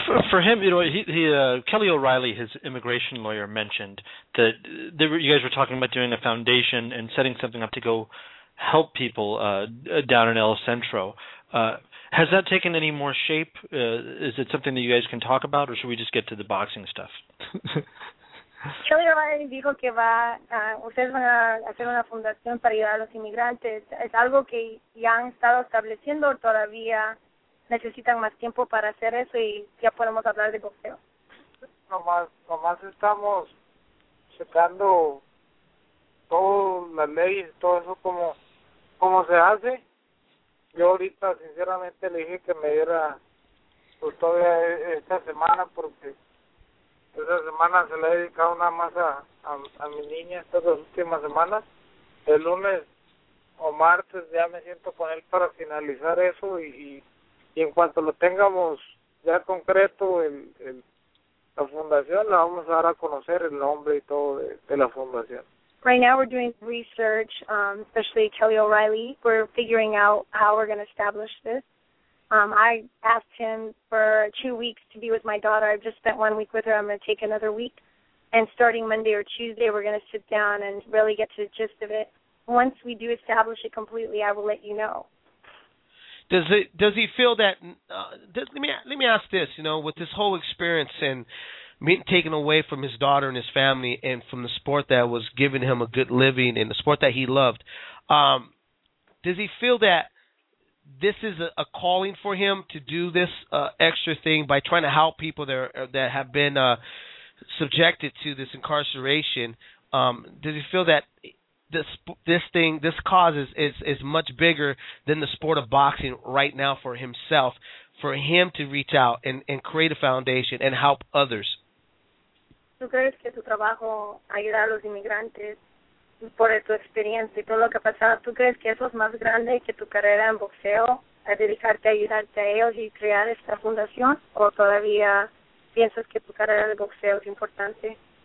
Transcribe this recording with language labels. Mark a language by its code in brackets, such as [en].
[en] for him, you know, Kelly O'Reilly, his immigration lawyer, mentioned that you guys were talking about doing a foundation and setting something up to go help people down in El Centro. Has that taken any more shape? Is it something that you guys can talk about, or should we just get to the boxing stuff? [es] Kelly O'Reilly dijo que va, ustedes van a hacer una fundación para ayudar a los inmigrantes. Es algo que ya han estado estableciendo todavía. Necesitan más tiempo para hacer eso y ya podemos hablar de boxeo. Nomás estamos checando todas las leyes, todo eso como se hace. Yo ahorita sinceramente le dije que me diera pues todavía esta semana, porque esa semana se la he dedicado nada más a mi niña estas dos últimas semanas. El lunes o martes ya me siento con él para finalizar eso y en cuanto lo tengamos ya concreto, la fundación, la vamos a dar a conocer, el nombre y todo de la fundación. [en] Right now we're doing research, especially Kelly O'Reilly. We're figuring out how we're going to establish this. I asked him for 2 weeks to be with my daughter. I've just spent 1 week with her. I'm going to take another week. And starting Monday or Tuesday, we're going to sit down and really get to the gist of it. Once we do establish it completely, I will let you know. Does he feel that, let me ask this, you know, with this whole experience and being taken away from his daughter and his family and from the sport that was giving him a good living and the sport that he loved, does he feel that this is a calling for him to do this extra thing by trying to help people that have been subjected to this incarceration? Does he feel that this cause is much bigger than the sport of boxing right now for himself, for him to reach out and create a foundation and help others? [es] ¿Tú crees que tu trabajo ayuda a los inmigrantes por tu experiencia y todo lo que ha pasado? ¿Tú crees que eso es más grande que tu carrera en boxeo, a dedicarte a ayudarte a ellos y crear esta fundación? ¿O todavía piensas que tu carrera de boxeo es importante?